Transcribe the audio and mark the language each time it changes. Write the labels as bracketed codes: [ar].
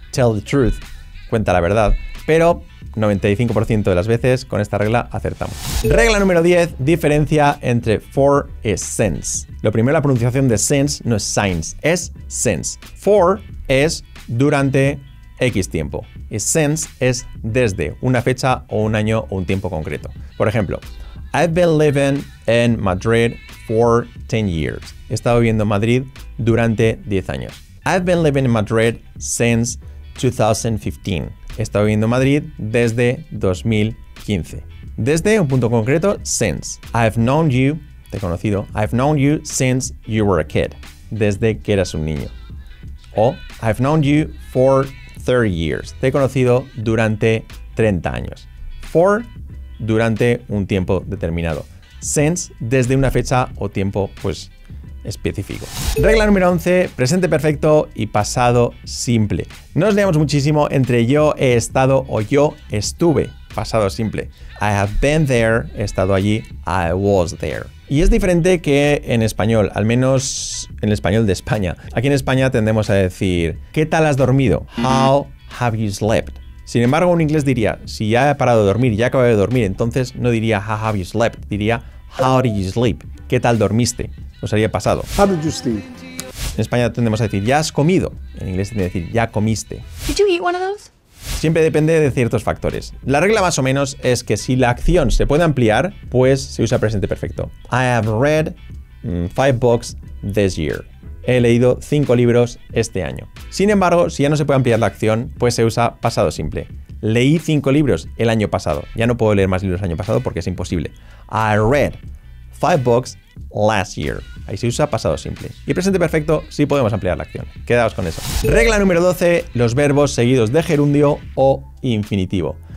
[en] Tell the truth, [es] cuenta la verdad. Pero 95% de las veces con esta regla acertamos. Regla número 10, diferencia entre for y since. Lo primero, la pronunciación de since no es since, es since. For es durante X tiempo. Y since es desde una fecha o un año o un tiempo concreto. Por ejemplo, [en] I've been living in Madrid for 10 years. [es] He estado viviendo en Madrid durante 10 años. [en] I've been living in Madrid since 2015. [es] He estado viviendo en Madrid desde 2015. Desde un punto concreto, since. [en] I've known you, [es] te he conocido. [en] I've known you since you were a kid. [es] Desde que eras un niño. O [en] I've known you for 30 years. [es] Te he conocido durante 30 años. For, durante un tiempo determinado. Since, desde una fecha o tiempo, pues, específico. Regla número 11, presente perfecto y pasado simple. No nos liamos muchísimo entre yo he estado o yo estuve, pasado simple. [en] I have been there, [es] he estado allí, [en] I was there. [es] Y es diferente que en español, al menos en el español de España. Aquí en España tendemos a decir, ¿qué tal has dormido? [en] How have you slept? [es] Sin embargo, un inglés diría, si ya he parado de dormir, ya acabo de dormir, entonces no diría [en] how have you slept, [es] diría [en] how did you sleep, [es] ¿qué tal dormiste? Os haría pasado. [en] How did you sleep? [es] En España tendemos a decir ya has comido, en inglés tendría que decir ya comiste. [en] Did you eat one of those? [es] Siempre depende de ciertos factores. La regla más o menos es que si la acción se puede ampliar, pues se usa presente perfecto. [en] I have read 5 books this year. [es] He leído 5 libros este año. Sin embargo, si ya no se puede ampliar la acción, pues se usa pasado simple. Leí 5 libros el año pasado. Ya no puedo leer más libros el año pasado porque es imposible. [en] I read 5 books last year. [es] Ahí se usa pasado simple. Y presente perfecto, sí podemos ampliar la acción. Quedaos con eso. Regla número 12, los verbos seguidos de gerundio o infinitivo.